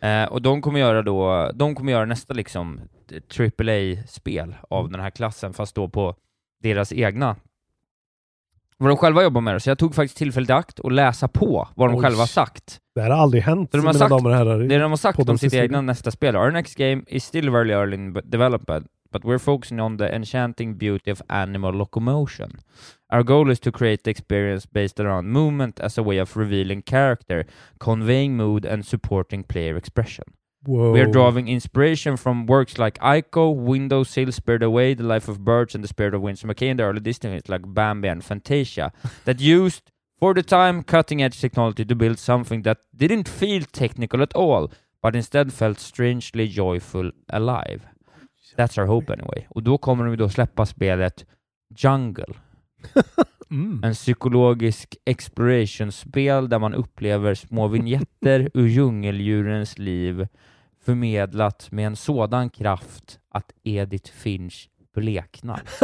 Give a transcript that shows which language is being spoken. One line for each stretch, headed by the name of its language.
Swedish: Och de kommer göra då, de kommer göra nästa liksom AAA-spel av den här klassen, fast då på deras egna vad de själva jobbar med. Så jag tog faktiskt tillfället i akt och läsa på vad de själva sagt. Det här har aldrig hänt. De har sagt, damer och herrar, det de har sagt om sitt egna nästa spel.
English: Our next game is still very early in development, but we're focusing on the enchanting beauty of animal locomotion. Our goal is to create the experience based around movement as a way of revealing character, conveying mood and supporting player expression. Whoa. We are drawing inspiration from works like Ico, Windowsill, Spirited Away, The Life of Birds and The Spirit of Winsor McCay and the early Disney movies like Bambi and Fantasia that used, for the time, cutting-edge technology to build something that didn't feel technical at all, but instead felt strangely joyful alive. That's our hope anyway.
Swedish: Och då kommer de då släppa spelet Jungle. Mm. En psykologisk exploration-spel där man upplever små vignetter ur djungeldjurens liv förmedlat med en sådan kraft att Edith Finch bleknar.